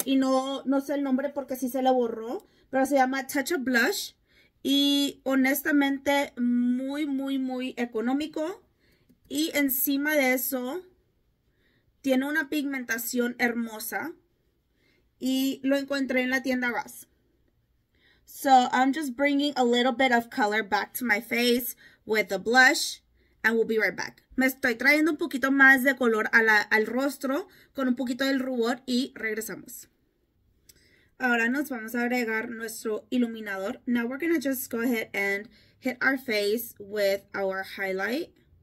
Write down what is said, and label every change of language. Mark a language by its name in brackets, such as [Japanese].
[Spanish] Y no sé el nombre porque sí se le borró. Pero se llama Touch of Blush. Y honestamente, muy, muy, muy económico. Y encima de eso, tiene una pigmentación hermosa. Y lo encontré en la tienda Ross. [English] So, I'm just bringing a little bit of color back to my face with the blush. And we'll be right back. [Spanish] Me estoy trayendo un poquito más de color al rostro con un poquito del rubor y regresamos. Ahora nos vamos a agregar nuestro iluminador. [English] Now we're going to just go ahead and hit our face with our highlight.